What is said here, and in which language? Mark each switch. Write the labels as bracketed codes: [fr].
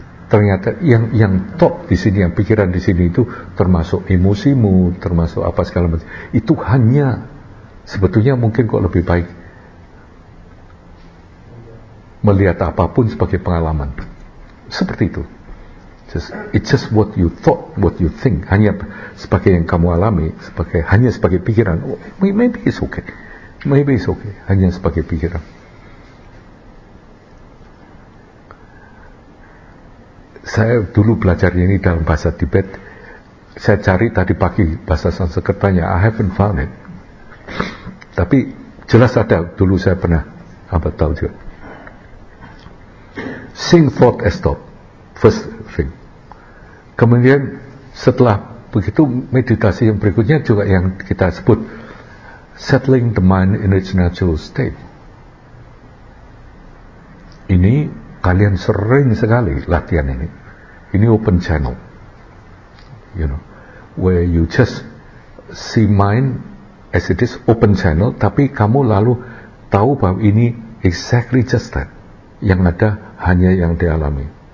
[id] Ternyata yang top di sini, yang pikiran di sini itu termasuk emosimu, termasuk apa segala macam. Itu hanya sebetulnya mungkin kok lebih baik melihat apapun sebagai pengalaman. Seperti itu. [en] It's just what you thought, what you think. [id] Hanya sebagai yang kamu alami, sebagai hanya sebagai pikiran. [en] Maybe it's okay. Maybe it's okay. [id] Hanya sebagai pikiran. Saya dulu belajar ini dalam bahasa Tibet. Saya cari tadi pagi bahasa Sanskertanya. [en] I haven't found it. [id] Tapi jelas ada. Dulu saya pernah apa tahu juga. [en] Sing thought as thought, first thing. [id] Kemudian setelah begitu meditasi yang berikutnya juga yang kita sebut [en] settling the mind in its natural state. [id] Ini kalian sering sekali latihan ini. Ini [en] open channel, you know, where you just see mind as it is, open channel, [id] tapi kamu lalu tahu bahwa ini [en] exactly just that, [id] yang ada hanya yang dialami.